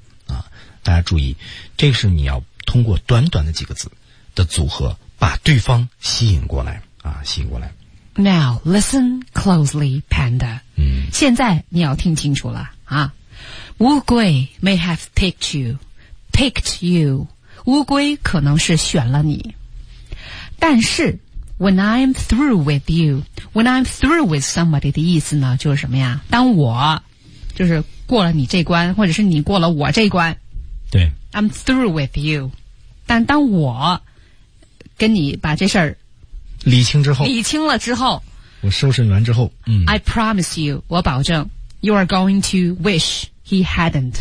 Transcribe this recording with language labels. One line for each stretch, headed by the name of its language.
Chinese: 啊，大家注意，这个是你要通过短短的几个字的组合，把对方吸引过来啊，吸引过来。
English: Now listen closely, Panda. 嗯，
Chinese: 现在你要听清楚了啊。乌龟
English: may have picked you, picked you.
Chinese: 乌龟可能是选了你，但是。
English: When I'm through with you, when I'm through with somebody
Chinese: 的意思呢，就是什么呀？当我就是过了你这关，或者是你过了我这关，对，
English: I'm through with you。
Chinese: 但当我跟你把这事儿理清之后，理清了之后，我收拾完之后，嗯
English: ，I promise you，
Chinese: 我保证
English: ，you are going to wish he hadn't、